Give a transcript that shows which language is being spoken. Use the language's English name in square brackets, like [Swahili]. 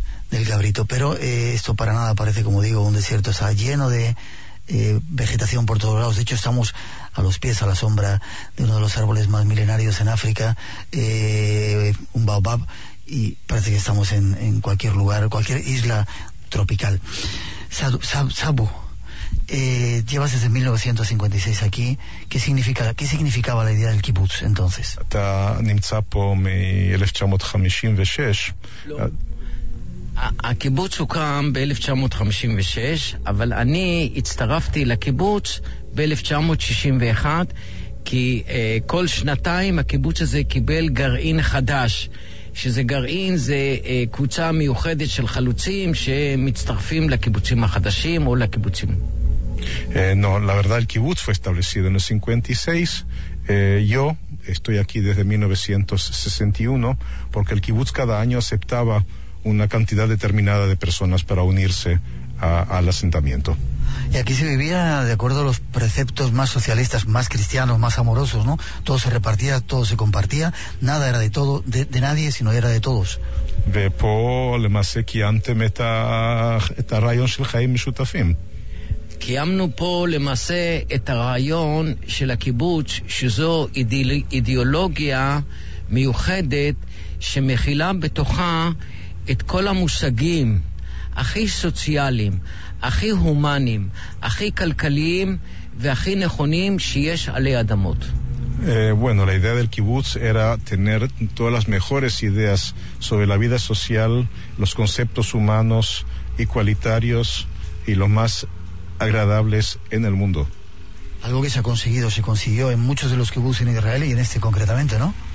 [Spanish] Del cabrito, pero esto para nada parece, como digo, un desierto. O sea, lleno de vegetación por todos lados. De hecho, estamos a los pies, a la sombra de uno de los árboles más milenarios en África, un baobab, y parece que estamos en cualquier lugar, cualquier isla tropical. Sabu, llevas desde 1956 aquí. ¿Qué significaba la idea del kibbutz entonces? Está nimzapo mi 1956. [Hebrew] הקיבוץ הוקם ב-1956, אבל אני הצטרפתי לקיבוץ ב-1961, כי כל שנתיים הקיבוץ הזה קיבל גרעין חדש, שזה גרעין, זה קבוצה מיוחדת של חלוצים שמצטרפים לקיבוצים החדשים או לקיבוצים. [Spanish] No, la verdad, el kibbutz fue establecido en el 56. Yo estoy aquí desde 1961, porque el kibbutz cada año aceptaba una cantidad determinada de personas para unirse al asentamiento. Y aquí se vivía de acuerdo a los preceptos más socialistas, más cristianos, más amorosos, ¿no? Todo se repartía, todo se compartía, nada era de nadie, sino era de todos. Ve po le masé que antes meta rayón shel haim mishutafim. [Hebrew] קיימנו פה למעשה את הרעיון של הקיבוץ, שזו אידיאולוגיה מיוחדת שמכילה בתוכה את כל המושגים הכי סוציאליים, הכי הומניים, הכי כלכליים והכי נכונים שיש עלי אדמות. [Spanish] Bueno, la idea del kibutz era tener todas las mejores ideas sobre la vida social, los conceptos humanos, igualitarios y los más agradables en el mundo. Algo que se consiguió en muchos de los kibutz en Israel y en este concretamente, ¿no?